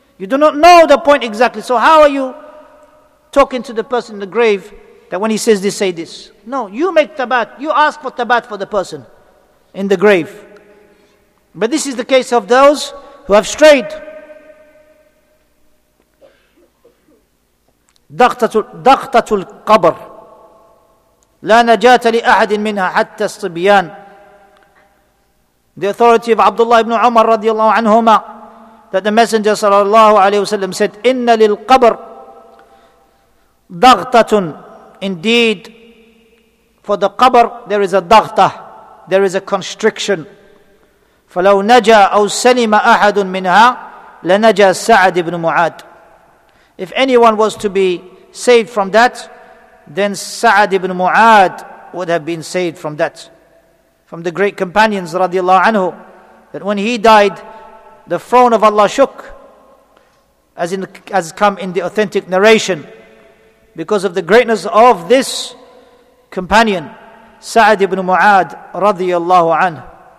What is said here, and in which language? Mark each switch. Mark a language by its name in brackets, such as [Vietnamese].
[English] You do not know the point exactly. So how are you talking to the person in the grave that when he says this, say this? No, you make tabat. You ask for tabat for the person in the grave. But this is the case of those who have strayed. [Arabic] دغطة القبر لا نجاة لأحد منها حتى الصبيان. [English] The authority of Abdullah ibn Umar رضي الله عنهما, that the Messenger صلى الله عليه وسلم said, [Arabic] إن للقبر دغطة. [English] Indeed, for the قبر there is a دغطة, there is a constriction. [Arabic] فلو نجا أو سلم أحد منها لنجا سعد بن معاذ. [English] If anyone was to be saved from that, then Sa'ad ibn Mu'ad would have been saved from that. From the great companions, radiallahu anhu, that when he died, the throne of Allah shook, as come in the authentic narration, because of the greatness of this companion, Sa'ad ibn Mu'ad, radiallahu anhu.